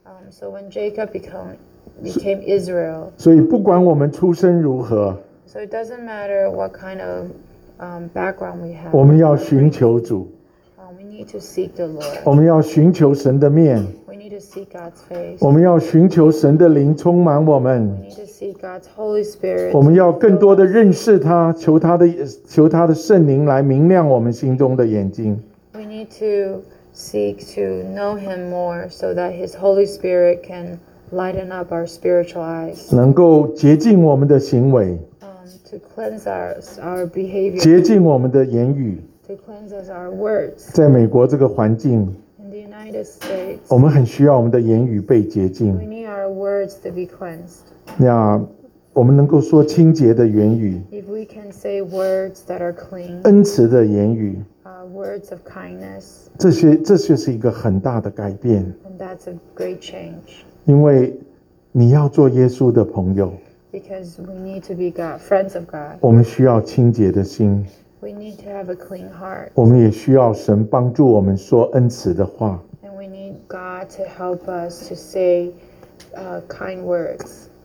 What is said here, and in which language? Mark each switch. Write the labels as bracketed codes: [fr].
[en] So when Jacob became Israel. [zh] 所以不管我们出身如何。 [en] So it doesn't matter what kind of background we have. [zh] 我们要寻求主。 [en] We need to seek the Lord. [zh] 我们要寻求神的面。 [en] We need to seek God's face. [zh] 我们要寻求神的灵充满我们。 [en] God's Holy Spirit. [zh] 我们要更多的认识他，求他的圣灵来明亮我们心中的眼睛。 [en] We need to seek to know him more so that his Holy Spirit can lighten up our spiritual eyes. [zh] 能够洁净我们的行为。 [en] To cleanse our behavior. [zh] 洁净我们的言语。 [en] To cleanse our words. [zh] 在美国这个环境。 [en] In the United States. [zh] 我们很需要我们的言语被洁净。 [en] We need our words to be cleansed. [zh] 那我们能够说清洁的言语 [en] If we can say words that are clean, [zh] 恩慈的言语 [en] words of kindness, [zh] 这就是一个很大的改变 [en] and that's a great change. [zh] 因为你要做耶稣的朋友 [en] because we need to be God, friends of God. [zh] 我们需要清洁的心 [en] we need to have a clean heart. [zh] 我们也需要神帮助我们说恩慈的话 [en] and we need God to help us to say kind words.